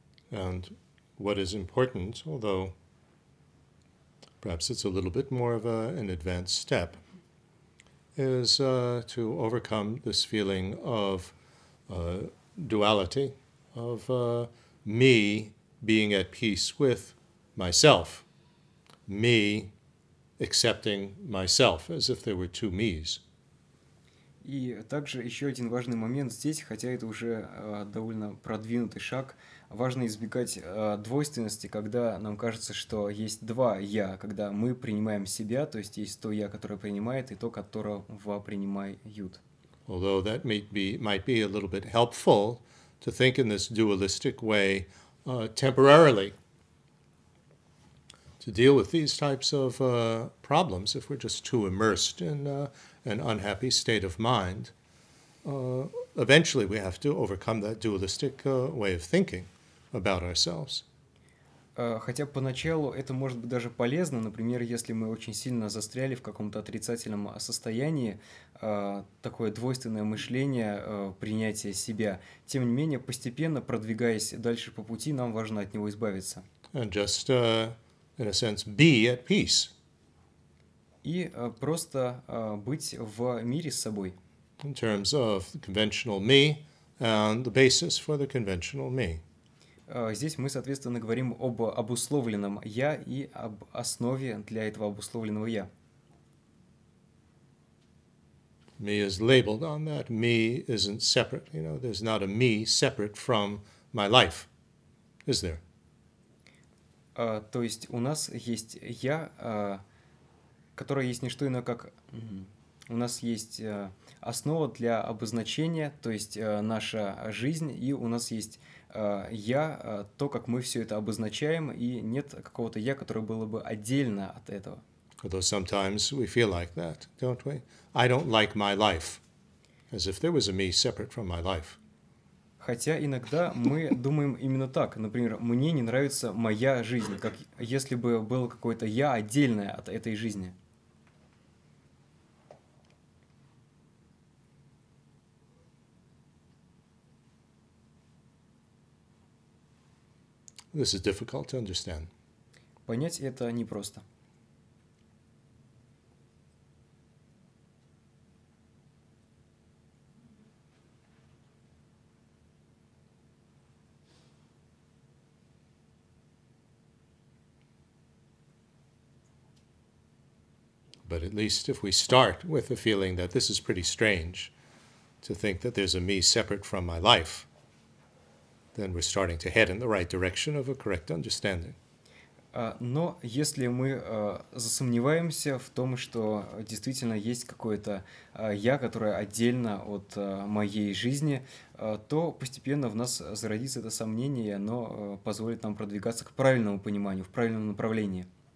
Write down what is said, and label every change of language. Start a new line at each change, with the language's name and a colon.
English: And what is important, although perhaps it's a little bit more of an advanced step, is to overcome this feeling of duality, of me being at peace with myself, me accepting myself as if there were two me's.
Russian: И также еще один важный момент здесь, хотя это уже довольно продвинутый шаг, важно избегать двойственности, когда нам кажется, что есть два «я», когда мы принимаем себя, то есть есть то «я», которое принимает, и то, которого принимают.
English: Although that might be a little bit helpful to think in this dualistic way temporarily, to deal with these types of problems if we're just too immersed in an unhappy state of mind, eventually we have to overcome that dualistic way of thinking about ourselves.
Russian: Хотя поначалу это может быть даже полезно, например, если мы очень сильно застряли в каком-то отрицательном состоянии, такое двойственное мышление, принятие себя. Тем не менее, постепенно, продвигаясь дальше по пути, нам важно от него избавиться.
English: And just, in a sense, be at peace.
Russian: И просто быть в мире с собой.
English: In terms of the conventional me and the basis for the conventional me.
Russian: Здесь мы, соответственно, говорим об обусловленном «я» и об основе для этого обусловленного «я».
English: Me is labeled on that. Me isn't separate. You know, there's not a me separate from my life, is there?
Russian: То есть у нас есть «я», которое есть не что иное, как... У нас есть основа для обозначения, то есть наша жизнь, и у нас есть... я, то, как мы все это обозначаем, и нет какого-то я, которое было бы отдельно от этого.
English: Although sometimes we feel like that, don't we? I don't like my life, as if there was a me separate from my life.
Russian: Хотя иногда мы думаем именно так. Например, мне не нравится моя жизнь, как если бы было какое-то я отдельное от этой жизни.
English: This is difficult to understand.
Russian: Понять это непросто.
English: But at least if we start with the feeling that this is pretty strange to think that there's a me separate from my life, then we're starting to head in the right direction of a correct understanding.
Russian: Но если мы засомневаемся в том, что действительно есть какое-то я, которое отдельно от моей жизни, то постепенно в нас зародится это сомнение, и оно позволит нам продвигаться к правильному пониманию, в правильном направлении.